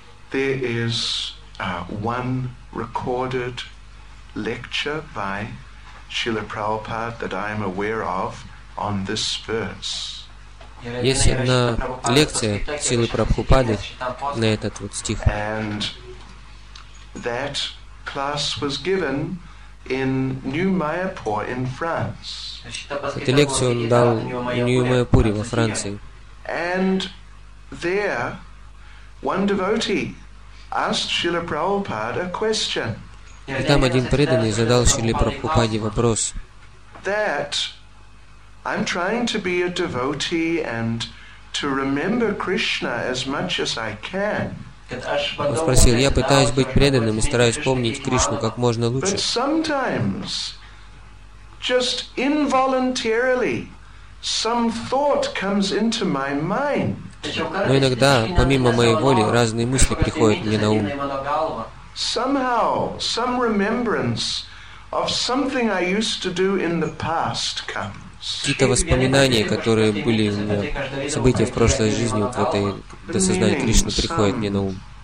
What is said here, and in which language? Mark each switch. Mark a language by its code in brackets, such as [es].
[en] There is one recorded lecture by Srila Prabhupada that I am aware of on this verse. [ru] Есть одна лекция Силы Прабхупады на этот вот стих. [en] That class was given in New Mayapur in France. [ru] Эту лекцию он дал в Нью-Майапуре во Франции. [en] And there, one devotee asked Srila Prabhupada a question. [ru] И там один преданный задал Шриле Прабхупаде вопрос. [en] That I'm trying to be a devotee and to remember Krishna as much as I can. [ru] Он спросил, я пытаюсь быть преданным и стараюсь помнить Кришну как можно лучше. [en] But sometimes, just involuntarily, some thought comes into my mind. [ru] Но иногда, помимо моей воли, разные мысли приходят мне на ум. [en] Somehow, some remembrance of something I used to do in the past comes. [ru] Какие-то воспоминания, которые были у меня, события в прошлой жизни, вот в этой досознании Кришны, приходят мне на ум.